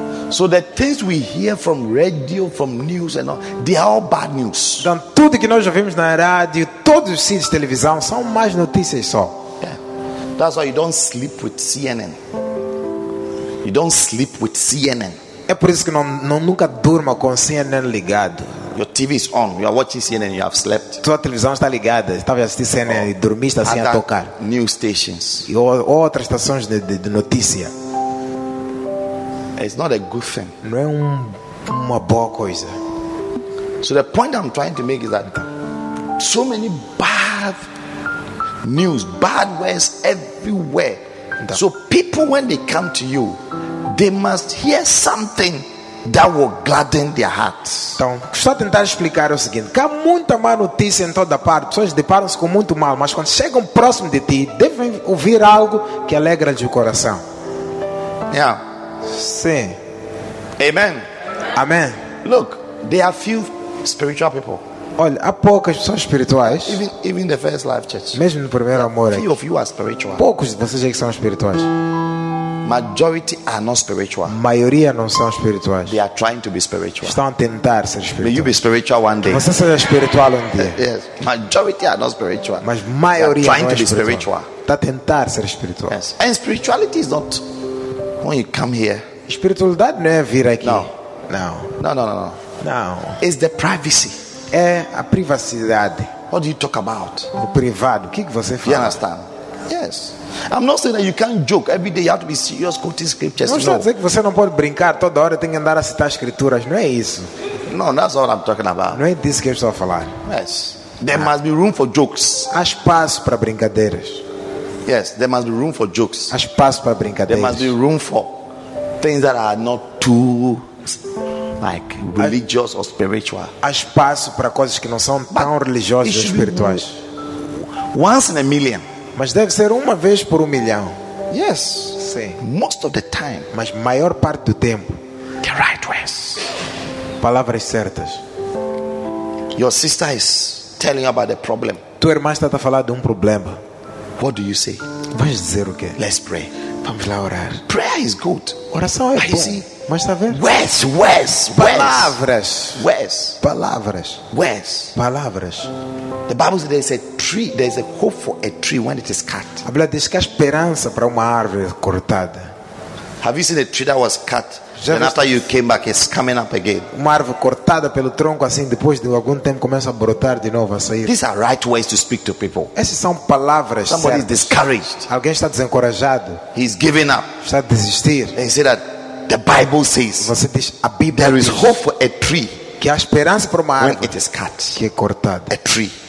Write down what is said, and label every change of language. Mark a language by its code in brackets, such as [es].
[en] So the things we hear from radio, from news and all, they are all bad news. [pt] Então tudo que nós ouvimos na rádio, todos os sites de televisão são más notícias só. [en] Yeah. That's why you don't sleep with CNN. You don't sleep with CNN. [pt] É por isso que nunca durma com CNN ligado. [en] Your TV is on. You are watching CNN. You have slept. [pt] Tua televisão está ligada. Estava assistindo CNN e dormiste assim a tocar. [en] New stations. [pt] E outras estações de notícia. [en] It's not a good thing. [pt] Não é uma boa coisa. [en] So the point I'm trying to make is that so many bad news, bad words everywhere. Então, so people when they come to you, they must hear something that will gladden their hearts. [pt] Então, só tentar explicar o seguinte: que há muita má notícia em toda parte. Pessoas deparam-se com muito mal, mas quando chegam próximo de ti, devem ouvir algo que alegra-lhes o coração. [en] Yeah. [pt] Sim. [en] Amen. Amen. Look, there are few spiritual people. [pt] Olha, há poucas pessoas espirituais. [en] Even the first life church. [pt] Mesmo no primeiro amor. [en] Few of you are spiritual. [pt] Poucos de vocês é que são espirituais. [en] Majority are not spiritual. [pt] Maioria não são espirituais. [en] They are trying to be spiritual. [pt] Estão a tentar ser espiritual. [en] May you be spiritual one day. [pt] Você seja espiritual um dia. [en] Yes. Majority are not spiritual. [pt] Mas maioria [en] trying [pt] não [en] to [pt] é espiritual. [en] Spiritual. [pt] Está a tentar ser espiritual. [en] Yes. And spirituality is not when you come here. [pt] Espiritualidade não é vir aqui. [en] No. No. No, no, no, no. No. It's the privacy. [pt] É a privacidade. [en] What do you talk about? [pt] O privado. O que você fala? [en] You understand? Yes. I'm not saying that you can't joke every day. You have to be serious quoting scriptures. [pt] Não estou a dizer que você não pode brincar toda hora. Tem que andar a citar escrituras. Não é isso. [en] No, that's all I'm talking about. [pt] Não é disso que eu estou a falar. [en] Yes. There must be room for jokes. [pt] Há espaço para brincadeiras. [en] Yes. There must be room for jokes. [pt] Há espaço para brincadeiras. [en] There must be room for things that are not too like religious or spiritual. [pt] Há espaço para coisas que não são tão religiosas ou espirituais. [en] Once in a million. [pt] Mas deve ser uma vez por 1 milhão. [en] Yes. [pt] Sim. [en] Most of the time. [pt] Mas maior parte do tempo. [en] The right words. [pt] Palavras certas. [en] Your sister is telling about the problem. [pt] Tua irmã está a falar de problema. [en] What do you say? [pt] Vais dizer o quê? [en] Let's pray. [pt] Vamos lá orar. [en] Prayer is good. [pt] Oração é bom. Mas está a ver? [en] Words, words, [pt] palavras. [en] Words. [pt] Palavras. [en] Words. [pt] Palavras. [en] The Bible says there's a tree, there's a hope for a tree when it is cut. [pt] A Bíblia diz que há esperança para uma árvore cortada. [en] Have you seen a tree that was cut? Já and after you came back, it's coming up again. [pt] Uma árvore cortada pelo tronco assim, depois de algum tempo começa a brotar de novo, a sair. [en] These are right ways to speak to people. [pt] Essas são palavras. [en] Somebody is discouraged. [pt] Alguém está desencorajado. [en] He's giving up. [pt] Está a desistir. [en] And you say that the Bible says. [pt] Você diz a Bíblia. [en] There is hope for a tree. [pt] Que há esperança para uma árvore. [en] When it is cut. [pt] Que é cortada. [en] A tree.